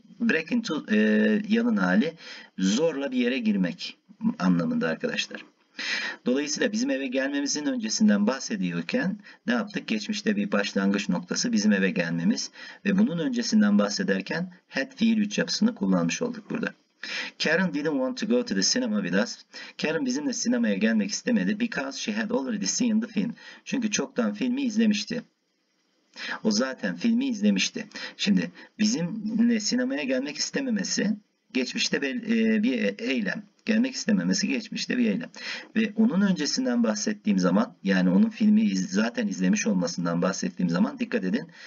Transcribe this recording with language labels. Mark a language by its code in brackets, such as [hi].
[tr] Break into, yalın hali, zorla bir yere girmek anlamında arkadaşlar. Dolayısıyla bizim eve gelmemizin öncesinden bahsediyorken ne yaptık? Geçmişte bir başlangıç noktası bizim eve gelmemiz ve bunun öncesinden bahsederken had fiil 3 yapısını kullanmış olduk burada. [en] Karen didn't want to go to the cinema with us. [tr] Karen bizimle sinemaya gelmek istemedi [en] because she had already seen the film. [tr] Çünkü çoktan filmi izlemişti. O zaten filmi izlemişti. Şimdi bizimle sinemaya gelmek istememesi geçmişte bir eylem. Gelmek istememesi geçmişte bir eylem. Ve onun öncesinden bahsettiğim zaman, yani onun filmi zaten izlemiş olmasından bahsettiğim zaman dikkat edin.